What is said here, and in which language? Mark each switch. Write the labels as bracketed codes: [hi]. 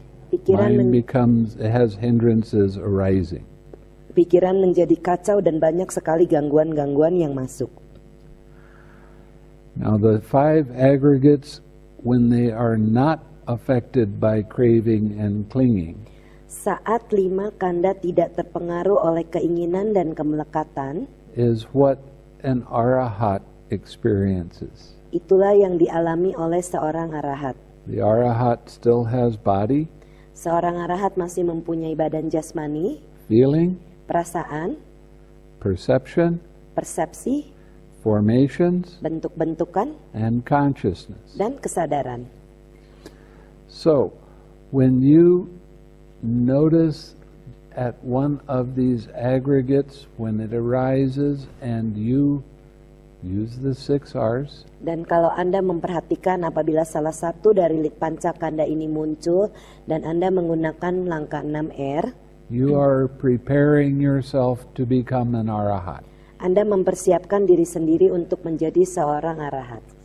[en] It has hindrances arising. [id] Pikiran menjadi kacau dan banyak sekali gangguan-gangguan yang masuk. [en] Now the five aggregates, when they are not affected by craving and clinging, [id] saat lima kanda tidak terpengaruh oleh keinginan dan kemelekatan, [en] is what an arahat experiences. [id] Itulah yang dialami oleh seorang arahat. [en] The arahat still has body. [id] Seorang arahat masih mempunyai badan jasmani. [en] Feeling. [id] Perasaan. [en] Perception. [id] Persepsi. [en] Formations. [id] Bentuk-bentukan. [en] And consciousness. [id] Dan kesadaran. [en] So, when you notice at one of these aggregates when it arises and you use the six R's. [id] Dan kalau Anda memperhatikan apabila salah satu dari pancakanda ini muncul dan Anda menggunakan langkah 6 R, [en] you are preparing yourself to become an arahat. [id] Anda mempersiapkan diri sendiri untuk menjadi seorang arahat.